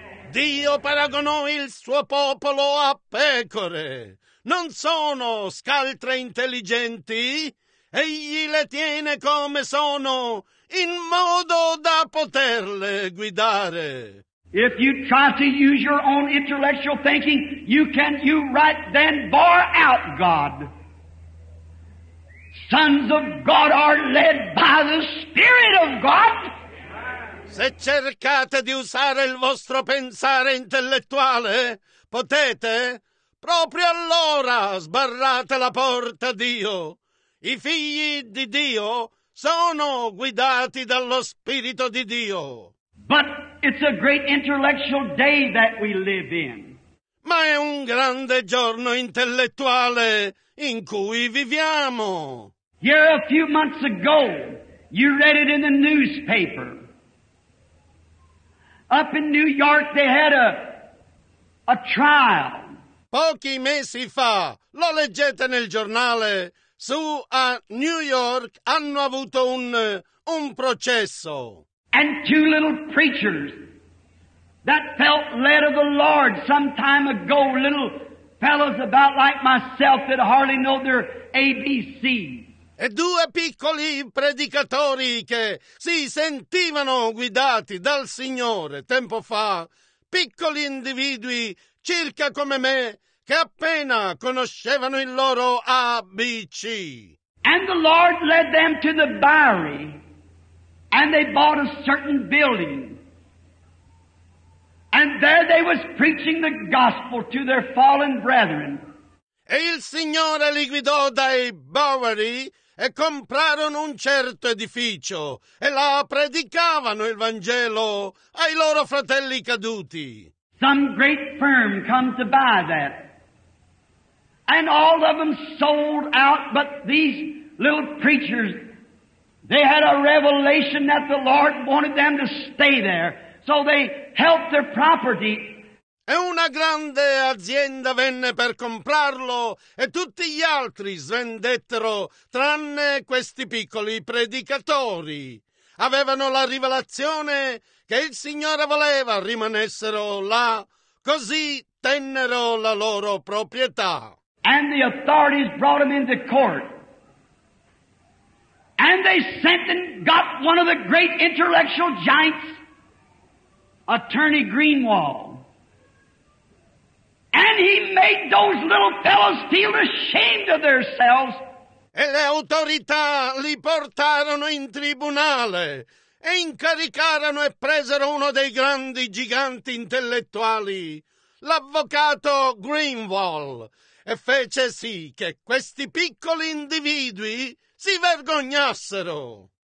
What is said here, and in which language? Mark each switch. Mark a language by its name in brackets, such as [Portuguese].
[Italian] Dio paragonò il suo popolo a pecore. Non sono scaltre intelligenti. Egli le tiene come sono, in modo da poterle guidare. [English] If you try to use your own intellectual thinking, you right then bar out God. Sons of God are led by the Spirit of God. [Italian] Se cercate di usare il vostro pensare intellettuale, potete, proprio allora sbarrate la porta a Dio. I figli di Dio sono guidati dallo Spirito di Dio. [English] But it's a great intellectual day that we live in. [Italian] Ma è un grande giorno intellettuale in cui viviamo. [English] Here a few months ago, you read it in the newspaper. Up in New York they had a trial. [Italian] Pochi mesi fa, lo leggete nel giornale, su a New York hanno avuto un processo. [English] And two little preachers that felt led of the Lord some time ago, little fellows about like myself that hardly know their ABCs. [Italian] E due piccoli predicatori che si sentivano guidati dal Signore tempo fa, piccoli individui circa come me che appena conoscevano il loro ABC. [English] And the Lord led them to the Bowery, and they bought a certain building, and there they was preaching the gospel to their fallen brethren. [Italian] E il Signore li guidò dai Bowery e comprarono un certo edificio e là predicavano il Vangelo ai loro fratelli caduti. [English] Some great firm come to buy that, and all of them sold out, but these little preachers, they had a revelation that the Lord wanted them to stay there, so they held their property. [Italian] E una grande azienda venne per comprarlo e tutti gli altri svendettero, tranne questi piccoli predicatori. Avevano la rivelazione che il Signore voleva rimanessero là, così tennero la loro proprietà. [English] And the authorities brought them into court. And they sent and got one of the great intellectual giants, Attorney Greenwald. And he made those little fellows feel ashamed of themselves. [Italian] E le autorità li portarono in tribunale e incaricarono e presero uno dei grandi giganti intellettuali, l'avvocato Greenwald, e fece sì che questi piccoli individui si vergognassero.